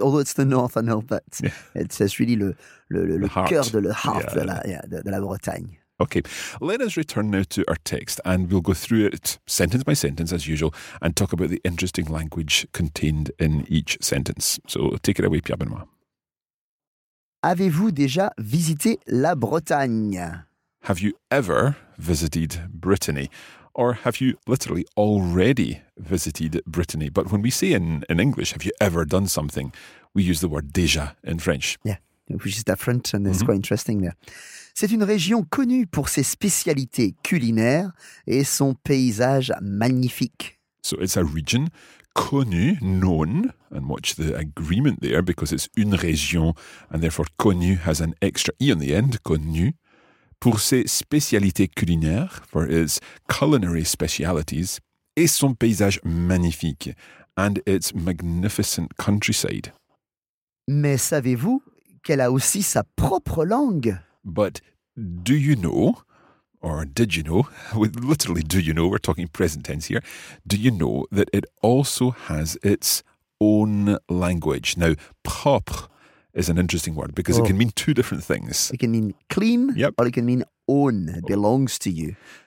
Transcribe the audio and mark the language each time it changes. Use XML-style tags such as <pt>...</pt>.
<en>Although it's the north, I know, but it's really</en> <fr>le cœur de la</fr> <en>heart de la Bretagne. Okay, let us return now to our text and we'll go through it sentence by sentence as usual and talk about the interesting language contained in each sentence. So take it away, Pierre-Benoît.</en> <fr>Avez-vous déjà visité la Bretagne?</fr> <en>Have you ever visited Brittany? Or have you literally already visited Brittany? But when we say in English, have you ever done something, we use the word déjà in French. Yeah. Which is different and it's quite interesting there.</en> <fr>C'est une région connue pour ses spécialités culinaires et son paysage magnifique.</fr> <en>So it's a region connue, known, and watch the agreement there because it's une région and therefore connue has an extra E on the end, connue,</en> <fr>pour ses spécialités culinaires,</fr> <en>for its culinary specialities,</en> <fr>et son paysage magnifique,</fr> <en>and its magnificent countryside.</en> <fr>Mais savez-vous qu'elle a aussi sa propre langue.</fr> <en>But do you know, or did you know, with literally do you know, we're talking present tense here, do you know that it also has its own language? Now, propre is an interesting word because it can mean two different things. It can mean clean, or it can mean own, belongs to you.</en>